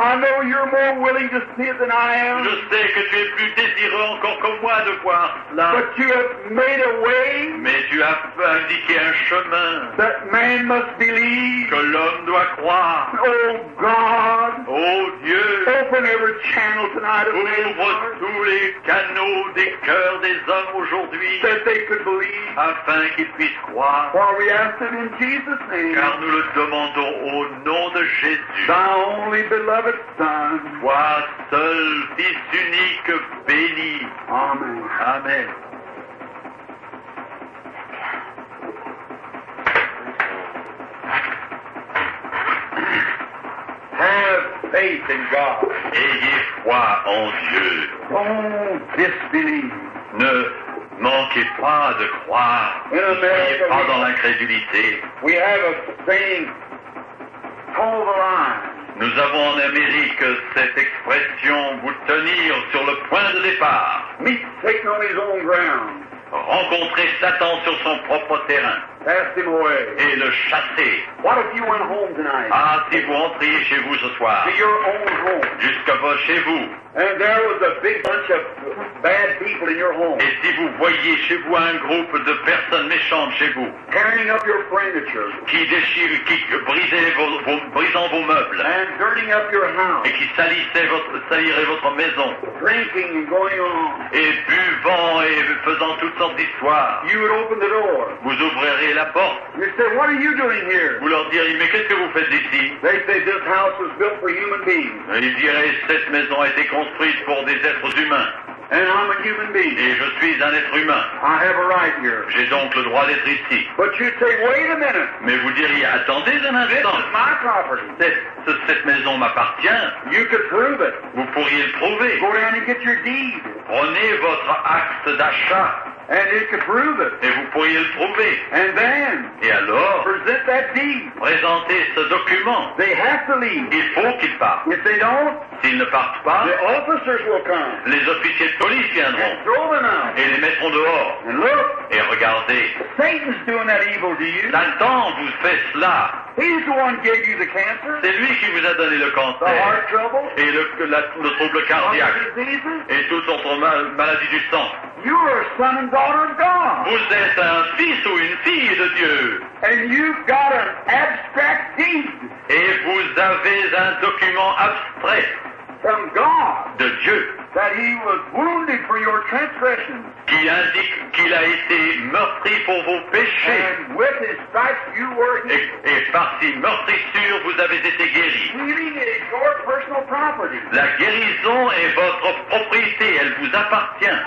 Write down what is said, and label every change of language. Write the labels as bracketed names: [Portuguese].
[English] I know you're more willing to see it than I am. [French] Je sais que tu es plus désireux encore que moi de voir cela. [English] But you have made a way. [French] Mais tu as indiqué un chemin. [English] That man must believe. [French] Que l'homme doit croire. [English] Oh God. [French] Oh Dieu. [English] Open every channel tonight of men's hearts. [French] Ouvre tous les canaux des cœurs des hommes aujourd'hui. [English] That they could believe. [French] Afin qu'ils puissent croire. [English] For we ask it in Jesus' name. [French] Car nous le demandons au nom de Jésus. [English] Thy only beloved Son. [French] Toi seul, Fils unique, béni. [English] Amen. [French] Amen. [English] Have faith in God. [French] Ayez foi en Dieu. [English] Don't disbelieve. [French] Ne manquez pas de croire. [English] In America, [French] n'ayez pas dans l'incrédulité. [English] We have a saying, toe the line. [French] Nous avons en Amérique cette expression « vous tenir sur le point de départ ». [English] Meet Satan on his own ground. [French] Rencontrer Satan sur son propre terrain. [English] Cast him away. [French] Et le chasser. [English] What if you went home tonight? [French] Ah, si vous rentriez chez vous ce soir. [English] To your own home. [French] Jusqu'à chez vous. [English] And there was a big bunch of bad people in your home. [French] Et si vous voyez chez vous un groupe de personnes méchantes chez vous. [English] Tearing up your furniture. [French] Qui déchire, qui brisait brisant vos meubles. [English] And dirtying up your house. [French] Et qui salirait votre maison. [English] Drinking and going on. [French] Et buvant et faisant toutes sortes d'histoires. [English] You would open the door. [French] Vous ouvririez la porte. [English] You say, what are you doing here? [French] Vous leur diriez, mais qu'est-ce que vous faites ici? [English] They say, this house was built for human beings. [French] Et ils diraient, cette maison a été construite pour des êtres humains. [English] And I'm a human being. [French] Et je suis un être humain. [English] I have a right here. [French] J'ai donc le droit d'être ici. [English] But you say, wait a minute. [French] Mais vous diriez, attendez un instant. [English] This is my property. [French] Cette maison m'appartient. [English] You could prove it. [French] Vous pourriez le prouver. [English] Go down and get your deed. [French] Prenez votre acte d'achat. [English] And it could prove it. [French] Et vous pourriez le prouver. [English] And then, [French] et alors, [English] present that deed. [French] Présentez ce document. [English] They have to leave. [French] Il faut qu'ils partent. [English] If they don't, [French] s'ils ne partent pas, [English] the officers will come. [French] Les officiers de police viendront. [English] And throw them out. [French] Et les mettront dehors. [English] And look, [French] et regardez. [English] Satan's doing that evil to you. [French] Satan vous fait cela. [English] He's the one who gave you the cancer. [French] C'est lui qui vous a donné le cancer. [English] The heart trouble. [French] Et le trouble cardiaque. Et toutes autres maladies du sang. [English] You are a son and daughter of God. [French] Vous êtes un fils ou une fille de Dieu. [English] And you've got an abstract deed. [French] Et vous avez un document abstrait. [English] From God. [French] De Dieu. [English] That he was wounded for your transgressions. [French] Qui indique qu'il a été meurtri pour vos péchés. [English] And with his stripes you were healed. [French] Et par ses meurtrissures vous avez été guéri. [English] Healing is your personal property. [French] La guérison est votre propriété, elle vous appartient.